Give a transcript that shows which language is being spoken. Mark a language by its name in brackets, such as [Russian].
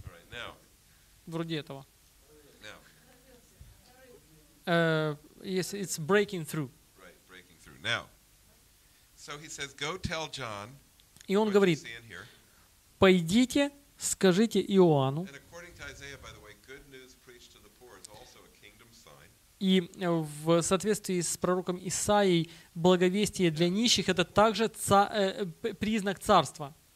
[English] Now. [Russian] Вроде этого. [English] Now. Yes, it's breaking through. Right, breaking through. Now. So he says, go tell John. [Russian] И он говорит: пойдите, скажите Иоанну. [English] And according to Isaiah, by the way, good news preached to the poor is also a kingdom sign. [Russian] И в соответствии с пророком Исаией, благовестие для нищих — это также признак царства.